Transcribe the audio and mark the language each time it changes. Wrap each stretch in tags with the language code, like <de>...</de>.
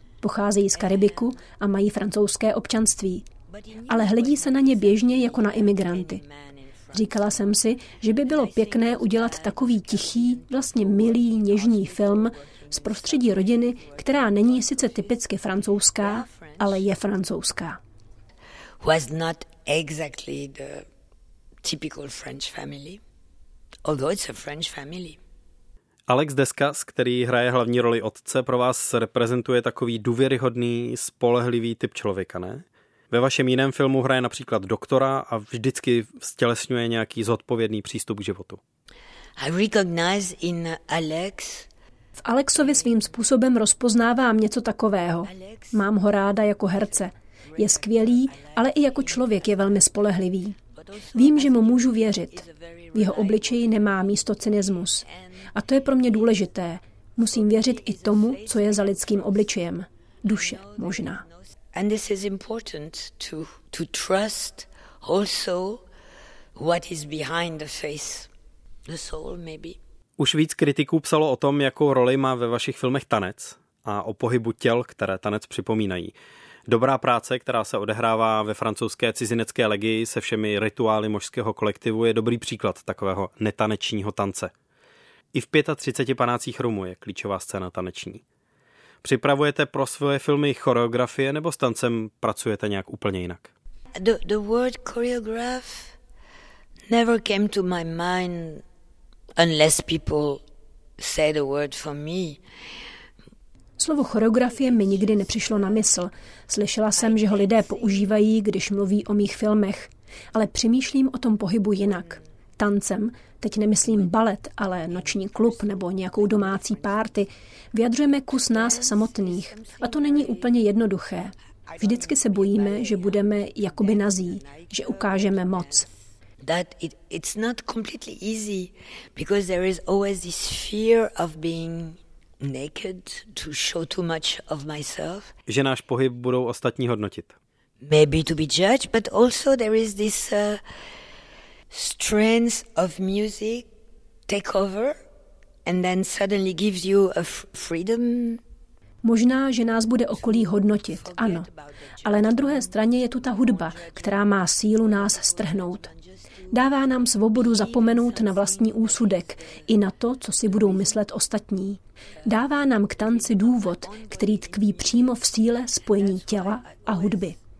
<cs>Pocházejí z Karibiku a mají francouzské občanství. Ale hledí se na ně běžně jako na imigranty. Říkala jsem si, že by bylo pěkné udělat takový tichý, vlastně milý, něžný film z prostředí rodiny, která není sice typicky francouzská, ale je francouzská.</cs> <en>Was not exactly the typical French family, although it's a French family.</en> <cs>Alex Deskas, který hraje hlavní roli otce, pro vás reprezentuje takový důvěryhodný, spolehlivý typ člověka, ne? Ve vašem jiném filmu hraje například doktora a vždycky stělesňuje nějaký zodpovědný přístup k životu.</cs> <en>I recognize in Alex.</en> <cs>V Alexovi svým způsobem rozpoznávám něco takového. Mám ho ráda jako herce. Je skvělý, ale i jako člověk je velmi spolehlivý. Vím, že mu můžu věřit. V jeho obličeji nemá místo cynismus. A to je pro mě důležité. Musím věřit i tomu, co je za lidským obličejem. Duše možná.</cs> <en>And this is important to trust also what is behind the face. The soul maybe.</en> <cs>Už víc kritiků psalo o tom, jakou roli má ve vašich filmech tanec a o pohybu těl, které tanec připomínají. Dobrá práce, která se odehrává ve francouzské cizinecké legii se všemi rituály mošského kolektivu, je dobrý příklad takového netanečního tance. I v 35 panácích Rumu je klíčová scéna taneční. Připravujete pro svoje filmy choreografie nebo s tancem pracujete nějak úplně jinak?</cs> <en>The word choreograph never came to my mind unless people say the word for me.</en> <cs>Slovo choreografie mi nikdy nepřišlo na mysl. Slyšela jsem, že ho lidé používají, když mluví o mých filmech. Ale přemýšlím o tom pohybu jinak. Tancem, teď nemyslím balet, ale noční klub nebo nějakou domácí párty, vyjadřujeme kus nás samotných. A to není úplně jednoduché. Vždycky se bojíme, že budeme jakoby nazí, že ukážeme moc.</cs> <en>That it's not completely easy, because there is always this fear of being naked, to show too much of myself.</en> <cs>Že náš pohyb budou ostatní hodnotit.</cs> <en>Maybe to be judged, but also there is this strains of music take over and then suddenly gives you a freedom.</en> <cs>Možná, že nás bude okolí hodnotit, ano. Ale na druhé straně je tu ta hudba, která má sílu nás strhnout. Dává nám svobodu zapomenout na vlastní úsudek i na to, co si budou myslet ostatní. Dává nám k tanci důvod, který tkví přímo v síle spojení těla a hudby.</cs>